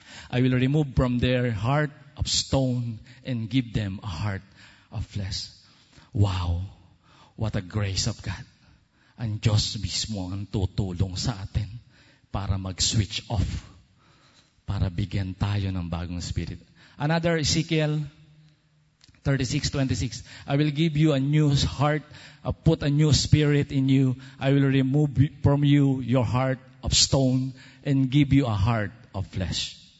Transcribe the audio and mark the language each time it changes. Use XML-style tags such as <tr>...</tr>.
<en>I will remove from their heart of stone and give them a heart of flesh. Wow! What a grace of God.</en> <tl>Ang Diyos mismo ang tutulong sa atin para mag-switch off. Para bigyan tayo ng bagong spirit.</tl> <en>Another Ezekiel 36:26. I will give you a new heart, put a new spirit in you. I will remove from you your heart of stone and give you a heart of flesh.</en>